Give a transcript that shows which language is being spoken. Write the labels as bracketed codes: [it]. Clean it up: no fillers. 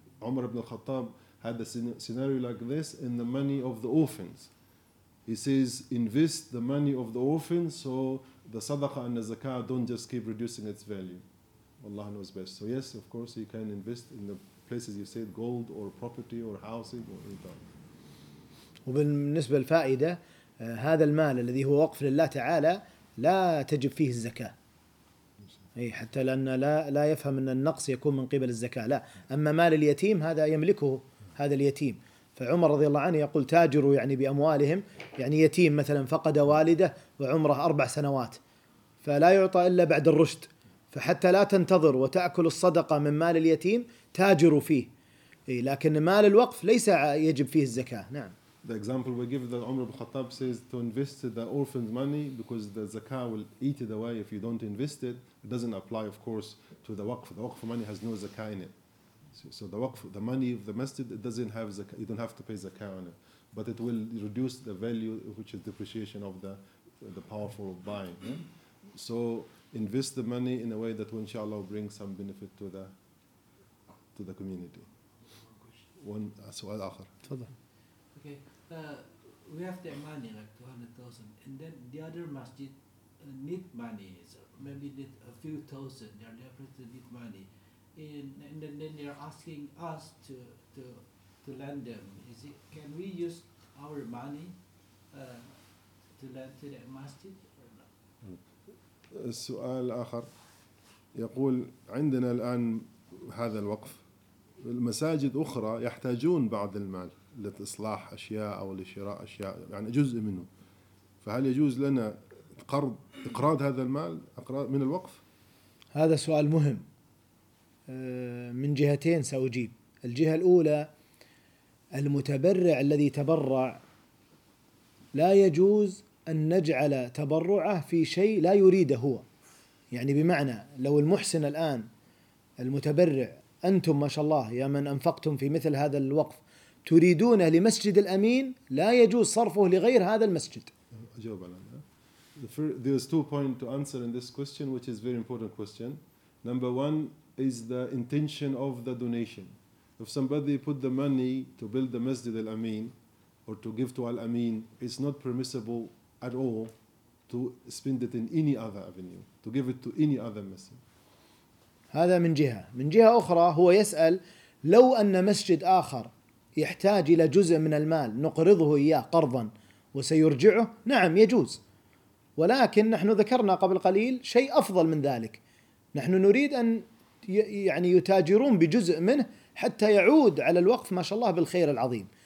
[en] Umar ibn al-Khattab had a scenario like this in the money of the orphans. He says, invest the money of the orphan so the sadaqah and the zakah don't just keep reducing its value. Allah knows best. So yes, of course, you can invest in the places you said, gold or property or housing or anything. [ar] وبالنسبة للفائدة، هذا المال الذي هو وقف لله تعالى لا تجب فيه الزكاة. أي حتى لأن لا يفهم أن النقص يكون من قبل الزكاة، لا. أما مال اليتيم هذا يملكه هذا اليتيم. فعمر رضي الله عنه يقول تاجروا يعني بأموالهم، يعني يتيم مثلا فقد والده وعمره 4 سنوات فلا يعطى إلا بعد الرشد، فحتى لا تنتظر وتأكل الصدقة من مال اليتيم تاجروا فيه. لكن مال الوقف ليس يجب فيه الزكاة. نعم. [en] The example we give that Umar ibn Khattab says to invest the orphan's money because the zakah will eat it away if you don't invest it. It doesn't apply of course to the waqf. The waqf money has no zakah in it. So the waqf, the money of the masjid, it doesn't have zakah, you don't have to pay zakah on it, but it will reduce the value, which is depreciation of the power for buying. So invest the money in a way that will inshallah will bring some benefit to the community. Okay, we have their money, like 200,000, and then the other masjid need money, so maybe need a few thousand, they are definitely need money, and then they are asking us to lend them. Is it, can we use our money to lend to that masjid or not? [ar] السؤال الآخر يقول عندنا الآن هذا الوقف المساجد أخرى يحتاجون بعض المال لإصلاح أشياء أو لشراء أشياء يعني جزء منه فهل يجوز لنا قرض إقراض هذا المال من الوقف؟ هذا سؤال مهم من جهتين سأجيب. الجهة الأولى المتبرع الذي تبرع لا يجوز أن نجعل تبرعه في شيء لا يريده هو, يعني بمعنى لو المحسن الآن المتبرع أنتم ما شاء الله يا من أنفقتم في مثل هذا الوقف تريدونه لمسجد الأمين لا يجوز صرفه لغير هذا المسجد. أجاوب على [en] there is two points to answer in this question which is very important question. Number one is the intention of the donation. If somebody put the money to build the Masjid al-Amin or to give to al-Amin, it's not permissible at all to spend it in any other avenue, to give it to any other masjid. [ar] هذا من جهة. من جهة أخرى هو يسأل لو أن مسجد آخر يحتاج إلى جزء من المال نقرضه إياه قرضا وسيرجعه, نعم يجوز, ولكن نحن ذكرنا قبل قليل شيء أفضل من ذلك. نحن نريد أن يعني يتاجرون بجزء منه حتى يعود على الوقف ما شاء الله بالخير العظيم.